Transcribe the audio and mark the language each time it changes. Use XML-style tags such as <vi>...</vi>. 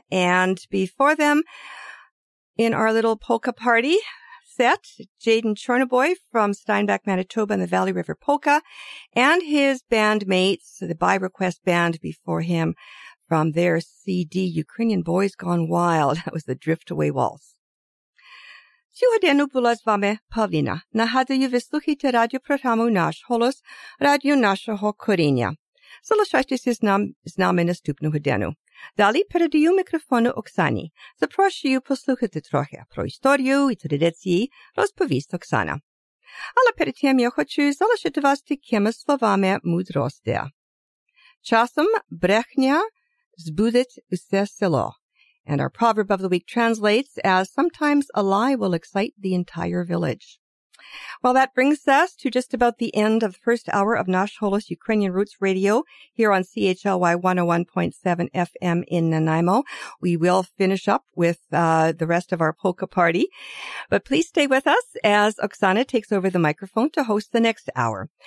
<en>And before them, in our little polka party set, Jaden Chornoboy from Steinbach, Manitoba and the Valley River Polka, and his bandmates, the By Request Band before him, from their CD, Ukrainian Boys Gone Wild. That was the Drift Away Waltz.</en> <uk>Сьогодні була з вами Павліна. Нагадую, ви слухаєте радіопрограму «Наш голос», радіо нашого коріння. Залишайтеся з нами наступного дня. Далі передаю мікрофону Оксані. Запрошую послухати трохи про історію і традиції, розповість Оксана. Але перед тим я хочу залишити вас такими словами мудрості. Часом брехня збудить усе село.</uk> <en>And our proverb of the week translates as, sometimes a lie will excite the entire village. Well, that brings us to just about the end of the first hour of Nash Holos Ukrainian Roots Radio here on CHLY 101.7 FM in Nanaimo. We will finish up with the rest of our polka party, but please stay with us as Oksana takes over the microphone to host the next hour.</en>